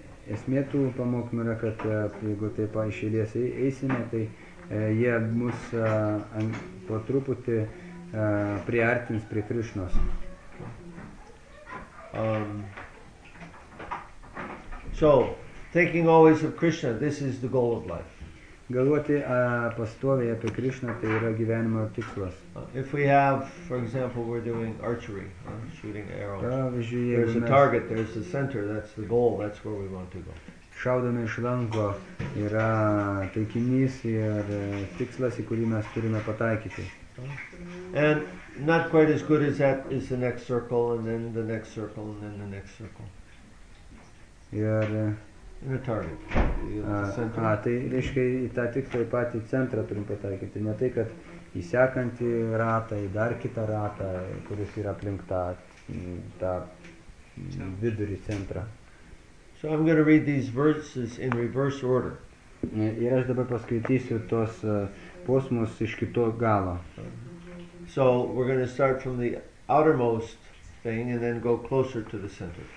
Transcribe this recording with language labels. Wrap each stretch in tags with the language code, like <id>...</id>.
<lt>Esmė tų pamokymų yra, kad jeigu taip iš eilės eisime, tai jie mus po truputį priartins prie Krišnos.</lt> <en>So, thinking always of Krishna, this is the goal of life.</en> <lt>Galvoti pastoviai apie Krišną, tai yra gyvenimo tikslas.</lt> <en>If we have, for example, we're doing archery, shooting arrows.</en> <lt>Pavyzdžiui,</lt> <en>there's a target, there's a center, that's the goal, that's where we want to go.</en> <lt>Šaudome iš lanko, yra taikinys ir tikslas, į kurį mes turime pataikyti.</lt> <en>And not quite as good as that is the next circle, and then the next circle, and then the next circle.</en> <lt>Ir</lt> <en>in a target.</en> <lt>Tai reiškia į tą tikslą į patį centrą turim pataikyti. Ne tai, kad į sekantį ratą, į dar kitą ratą, kuris yra aplink tą vidurį centrą.</lt> <en>So I'm going to read these verses in reverse order.</en> <lt>Ir aš dabar paskaitysiu tos posmus iš kito galo.</lt> <en>So we're going to start from the outermost thing and then go closer to the center.</en>